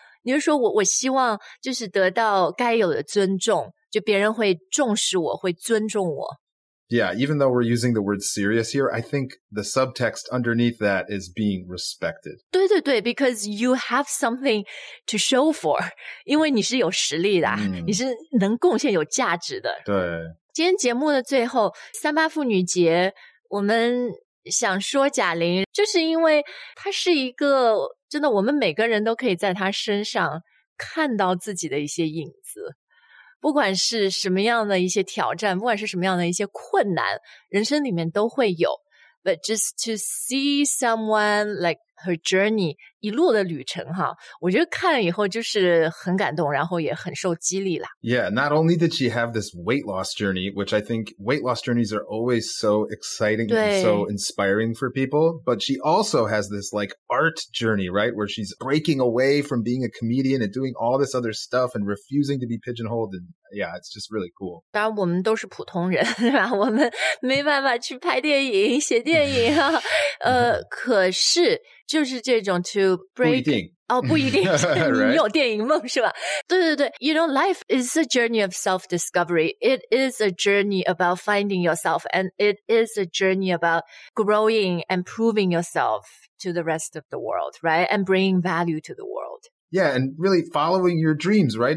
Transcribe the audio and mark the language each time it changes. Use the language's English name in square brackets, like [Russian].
[Chinese] 你就说我希望就是得到该有的尊重，就别人会重视我，会尊重我。 [English] Yeah, even though we're using the word serious here, I think the subtext underneath that is being respected. [Chinese] 对对对 [English] because you have something to show for. [Chinese] 因为你是有实力的，你是能贡献有价值的。对。今天节目的最后三八妇女节我们想说贾玲就是因为她是一个真的我们每个人都可以在她身上看到自己的一些影子不管是什么样的一些挑战不管是什么样的一些困难人生里面都会有 [English] But just to see someone like her journey [Chinese] 一路的旅程哈我觉得看了以后就是很感动然后也很受激励啦 [English] Yeah, not only did she have this weight loss journey which I think weight loss journeys are always so exciting and so inspiring for people but she also has this like art journey right where she's breaking away from being a comedian and doing all this other stuff and refusing to be pigeonholed and yeah, it's just really cool [Chinese] 当然我们都是普通人对吧我们没办法去拍电影写电影啊可是就是这种 [English] to break. [Chinese] 不一定。哦，不一定，你有电影梦是吧？对对对 [English] ，You know, life is a journey of self-discovery. It is a journey about finding yourself, and it is a journey about growing and proving yourself to the rest of the world, right? And bringing value to the world. Yeah, and really following your dreams, right?